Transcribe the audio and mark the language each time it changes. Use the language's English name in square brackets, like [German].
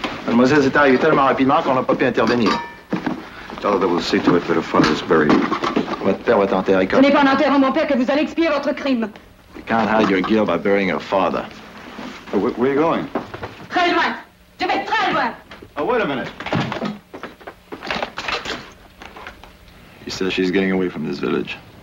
[French] Mademoiselle, c'est arrivé tellement rapidement qu'on n'a pas pu intervenir. [English] Tell her that we'll see to it that her father is buried. [French] Votre père va t'enterrer comme... Ce n'est pas en enterrant mon père que vous allez expier votre crime. [English] You can't hide your guilt by burying her father. Where are you going? [French] Très loin. Je vais très loin. [English] Oh, wait a minute. He says she's getting away from this village.